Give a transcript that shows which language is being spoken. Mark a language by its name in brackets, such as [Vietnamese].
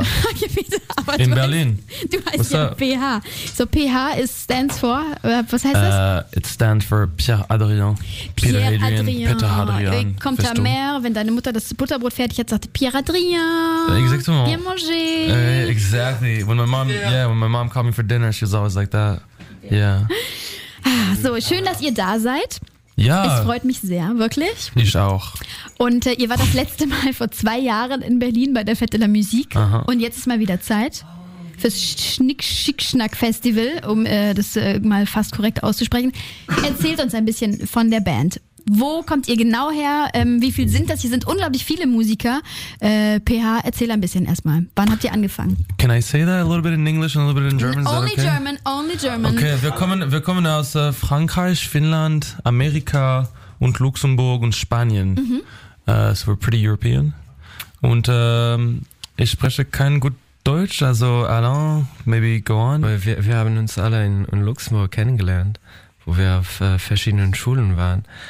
[German] Hake-Peter. In Berlin. Du heißt ja PH. So, PH ist stands for, was heißt das? [English] It stands for Pierre-Adrien. Pierre-Adrien. Peter-Adrien. [German] Kommt [French] ta mère, [German] wenn deine Mutter das Butterbrot fertig hat, sagt Pierre-Adrien. [French] Exactement. Bien mangé. [English] Exactly. When my mom, when my mom called me for dinner, she was always like that. Yeah. [German] So, schön, dass ihr da seid. Ja. Es freut mich sehr, wirklich. Ich auch. Und ihr wart das letzte Mal vor 2 Jahren in Berlin bei der Fête de la Musique. Aha. Und jetzt ist mal wieder Zeit fürs Schnick-Schick-Schnack-Festival, um mal fast korrekt auszusprechen. Erzählt uns ein bisschen von der Band. Wo kommt ihr genau her? Wie viel sind das? Hier sind unglaublich viele Musiker. PH, erzähl ein bisschen erstmal. Wann habt ihr angefangen? [English] Can I say that a little bit in English and a little bit in German? Only okay? German, only German. [German] Okay, wir kommen aus Frankreich, Finnland, Amerika und Luxemburg und Spanien. Mhm. [English] So we're pretty European. [German] Und ich spreche kein gut Deutsch, also Alain, [English] maybe go on. [German] Weil wir haben uns alle in Luxemburg kennengelernt, wo wir auf verschiedenen Schulen waren.